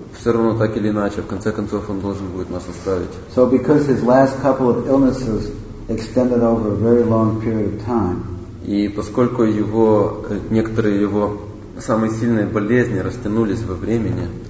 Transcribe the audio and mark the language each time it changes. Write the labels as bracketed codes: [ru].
[ru] все равно так или иначе, в конце концов, он должен будет нас оставить. [en] So because his last couple of illnesses extended over a very long period of time. [ru] И поскольку его некоторые его самые сильные болезни растянулись во времени.